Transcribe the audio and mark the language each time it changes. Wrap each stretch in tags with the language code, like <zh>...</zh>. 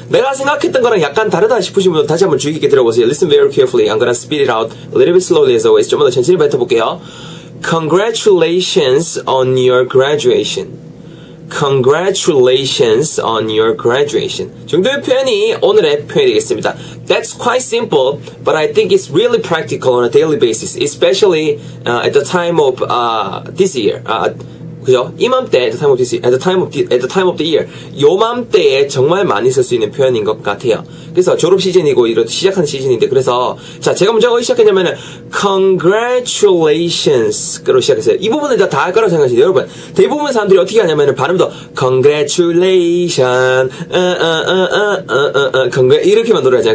<ko>내가 생각했던 거랑 약간 다르다 싶으신 분들 다시 한번 주의 깊게 들어보세요.</ko> <en>Listen very carefully. I'm gonna speed it out a little bit slowly as always.</en> <ko>좀 더 천천히 뱉어볼게요.</ko> <en>Congratulations on your graduation. Congratulations on your graduation.</en> <ko>정도의 표현이 오늘의 표현이 되겠습니다.</ko> <en>That's quite simple, but I think it's really practical on a daily basis, especially at the time of this year.</en> <ko>그죠? 이맘때</ko> <en>at the time of this year, at the time of the year.</en> <ko>요맘때에 정말 많이 쓸 수 있는 표현인 것 같아요. 그래서 졸업 시즌이고 이렇게 시작하는 시즌인데, 그래서 자, 제가 먼저 어디 시작했냐면은 congratulations로 시작했어요. 이 부분은 다 할 거라고 생각하시죠 여러분. 대부분 사람들이 어떻게 하냐면은 발음도 congratulation, congratulations 이렇게만 노래하잖아요.</ko>